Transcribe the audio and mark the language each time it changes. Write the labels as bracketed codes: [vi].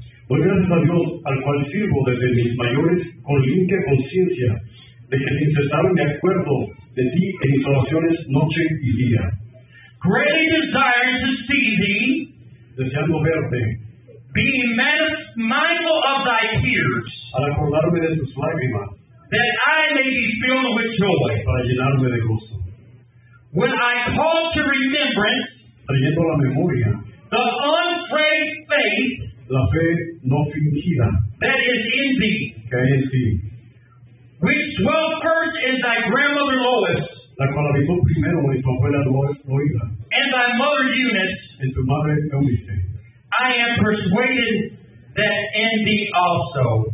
[es] Doy gracias a Dios, al cual sirvo desde mis mayores con limpia conciencia, de que sin cesar me acuerdo de ti en mis oraciones noche y día. [en] Greatly desire to see thee, [es] deseando verte, [en] being mindful of thy tears, [es] al acordarme de tus lágrimas, [en] that I may be filled with joy, [es] para llenarme de gozo. [en] When I call to remembrance, [es] trayendo la memoria, [en] the unfeigned faith, [es] la fe no fingida, [en] that is in thee, [es] que hay en ti, [en] which dwelt first in thy grandmother Lois, [es] la cual habitó primero en tu abuela Lois, [en] and thy mother Eunice, [es] en tu madre Eunice. [en] I am persuaded that in thee also.